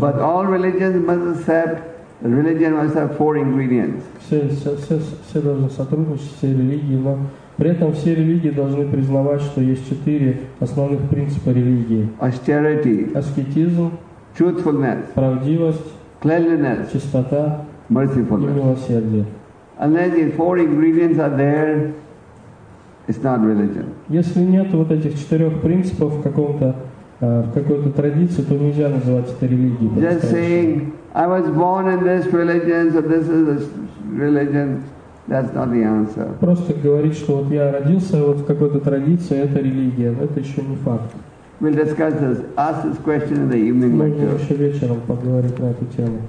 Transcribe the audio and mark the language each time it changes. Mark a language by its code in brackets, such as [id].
[en] But all religions must accept, religion must have four ingredients. [ru] Все должны сотрудничать, все религии, но... При этом все религии должны признавать, что есть четыре основных принципа религии. [en] Austerity. [ru] Аскетизм. [en] Truthfulness. [ru] Правдивость. [en] Cleanliness. [ru] Чистота. [en] Mercifulness. [ru] И милосердие. [en] Unless these four ingredients are there, it's not religion. [ru] Если нет вот этих четырех принципов в какой-то традиции, то нельзя называть это религией. [en] Just saying, I was born in this religion, so this is a religion. That's not the answer. [ru] Просто говорить, что вот я родился вот в какой-то традиции, это религия, но это еще не факт. [en] We'll discuss this. Ask this question in the evening lecture. [ru] Мы еще вечером поговорим на эту тему.